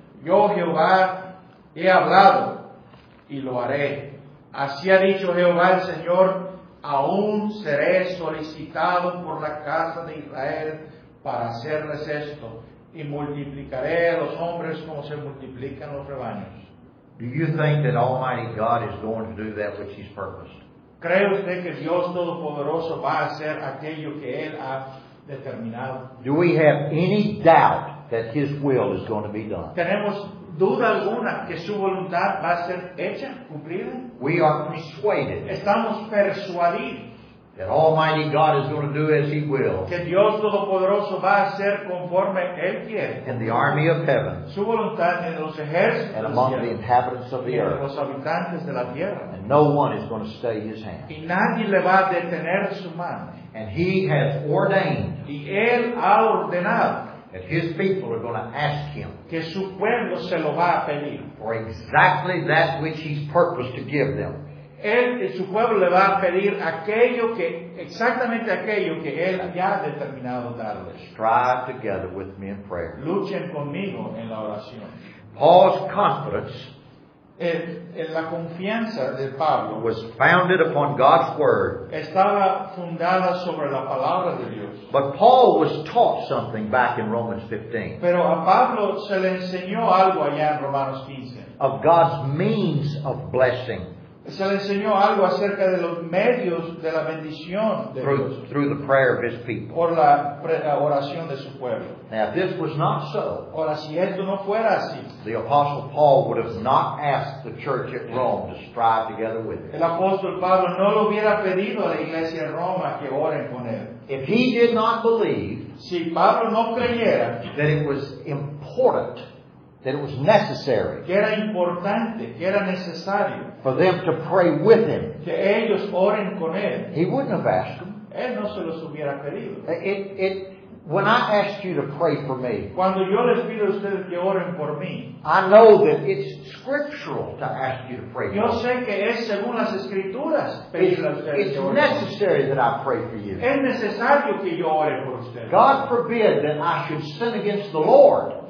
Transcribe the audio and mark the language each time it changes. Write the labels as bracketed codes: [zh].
[es] Yo, Jehová, he hablado y lo haré. Así ha dicho Jehová el Señor: aún seré solicitado por la casa de Israel para hacerles esto, y multiplicaré a los hombres como se multiplican los rebaños. [en] Do you think that Almighty God is going to do that which He's purposed? [es] ¿Cree usted que Dios Todopoderoso va a hacer aquello que Él ha determinado? [en] Do we have any doubt that His will is going to be done? [es] ¿Tenemos duda alguna que su voluntad va a ser hecha, cumplida? [en] We are persuaded. [es] Estamos persuadidos. [en] That Almighty God is going to do as He will. [es] Que Dios Todopoderoso va a hacer conforme Él quiere. [en] In the army of heaven. [es] Su voluntad en los ejércitos. [en] And among the inhabitants of the earth. [es] Los habitantes de la tierra. [en] And no one is going to stay His hand. [es] Y nadie le va a detener su mano. [en] And He has ordained. [es] Y Él ha ordenado. [en] That His people are going to ask Him. [es] Que su pueblo se lo va a pedir. [en] For exactly that which He's purposed to give them. [es] Él y su pueblo le va a pedir aquello que, exactamente aquello que Él ya ha determinado darle. [en] Strive together with me in prayer. [es] Luchen conmigo en la oración. [en] Paul's confidence. [es] En la confianza de Pablo. [en] Was founded upon God's word. [es] Estaba fundada sobre la palabra de Dios. [en] But Paul was taught something back in Romans 15. [es] Pero a Pablo se le enseñó algo allá en Romanos 15. [en] Of God's means of blessing. [es] Se le enseñó algo acerca de los medios de la bendición de Dios. [en] Through the prayer of His people. [es] Por la oración de su pueblo. [en] Now if this was not so. [es] Ahora, si esto no fuera así. [en] The apostle Paul would have not asked the church at Rome to strive together with him. [es] El apóstol Pablo no lo hubiera pedido a la iglesia en Roma que oren con él. [en] If he did not believe. [es] Si Pablo no creyera. [en] That it was important. That it was necessary. [es] Que era importante, que era necesario. [en] For them to pray with him. [es] Que ellos oren con él. [en] He wouldn't have asked them. [es] Él no se los hubiera pedido. [en] When I asked you to pray for me. [es] Cuando yo les pido a ustedes que oren por mí. [en] I know that it's scriptural to ask you to pray for me. [es] Yo sé que es según las escrituras. [en] It's necessary that I pray for you. [es] Es necesario que yo ore por ustedes. [en] God forbid that I should sin against the Lord.